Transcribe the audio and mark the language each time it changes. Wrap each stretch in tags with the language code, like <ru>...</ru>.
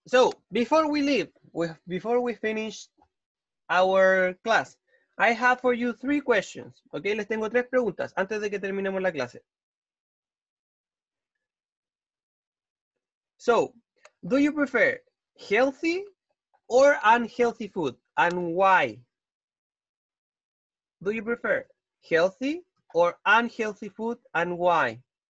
<en>So before we leave, before we finish our class, I have for you three questions.</en> <es>Okay, les tengo tres preguntas antes de que terminemos la clase.</es> <en>So, do you prefer healthy or unhealthy food and why? Do you prefer healthy or unhealthy food and why?</en>